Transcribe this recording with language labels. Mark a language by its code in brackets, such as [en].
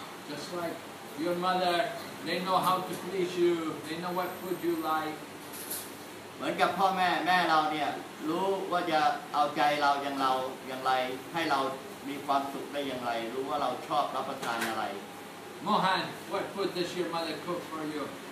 [en] Just like your mother, they know how to please you, they know what food you like. [th] เหมือนกับพ่อแม่แม่เราเนี่ยรู้ว่าจะเอาใจเราอย่างไรให้เรามีความสุขได้อย่างไรรู้ว่าเราชอบรับประทานอะไร [en] Mohan, what food does your mother cook for you?